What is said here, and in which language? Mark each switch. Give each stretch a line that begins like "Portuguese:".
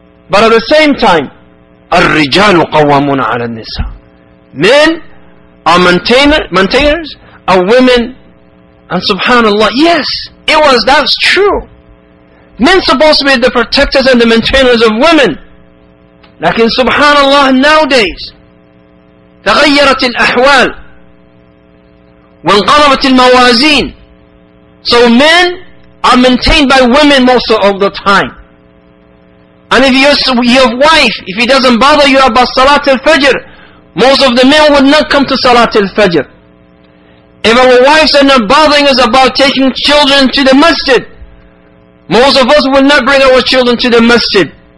English: But at the same time,
Arabic: الرِّجَالُ قَوَّمُونَ عَلَى النِّسَاءِ.
English: Men are maintainers of women. And subhanallah, yes, it was, that's true. Men supposed to be the protectors and the maintainers of women.
Arabic: Lakin subhanallah,
English: nowadays,
Arabic: تَغَيَّرَتِ الْأَحْوَالِ وَانْقَرَبَتِ الْمَوَازِينِ.
English: So men are maintained by women most of the time. And if your wife, if he doesn't bother you about Salat al-Fajr, most of the men would not come to Salat al-Fajr. If our wives are not bothering us about taking children to the masjid, most of us would not bring our children to the masjid.